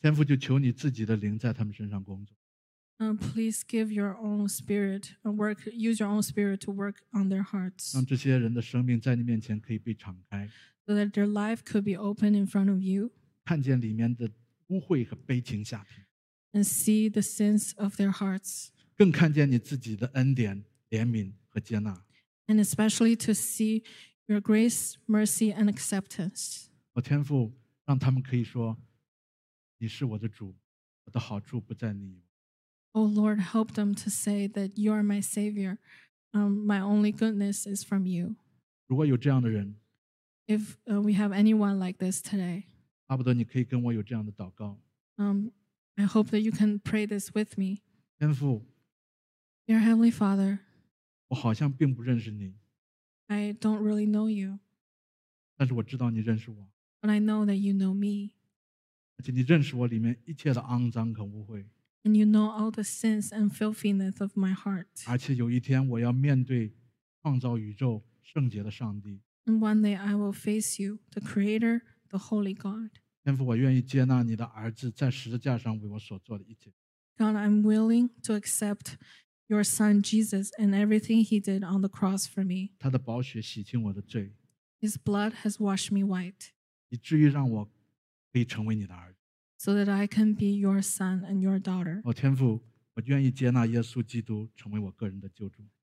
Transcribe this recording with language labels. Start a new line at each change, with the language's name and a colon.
Chinese: 天父就求你自己的灵在他们身上工作。
English: Please give your own spirit work, use your own spirit to work on their hearts.
Chinese: 让这些人的生命在你面前可以被敞开，
English: so that their life could be open in front of you.
Chinese: 看见里面的污秽和悲情下品。
English: And see the sins of their hearts.
Chinese: 更看见你自己的恩典、怜悯和接纳。
English: And especially to see your grace, mercy, and acceptance.
Chinese: 我天父，让他们可以说，你是我的主，我的好处不在你。
English: Oh Lord, help them to say that you are my Savior. My only goodness is from you.
Chinese: 如果有这样的人，
English: if we have anyone like this today,
Chinese: 巴不得你可以跟我有这样的祷告。
English: I hope that you can pray this with me.
Chinese: 天父，
English: Dear Heavenly Father,
Chinese: 我好像并不认识你。
English: I don't really know you.
Chinese: 但是我知道你认识我。
English: But I know that you know me.
Chinese: 而且你认识我里面一切的肮脏和污秽。
English: And you know all the sins and filthiness of my heart.
Chinese: 而且有一天我要面对创造宇宙圣洁的上帝。
English: And one day I will face you, the Creator, the Holy God.
Chinese: 天父，我愿意接纳你的儿子在十字架上为我所做的一切。
English: God, I'm willing to accept your son Jesus and everything he did on the cross for me.
Chinese: 他的宝血洗清我的罪。
English: His blood has washed me white.
Chinese: 以至于让我可以成为你的儿子。
English: So that I can be your son and your daughter.
Chinese: 哦，天父，我愿意接纳耶稣基督成为我个人的救主。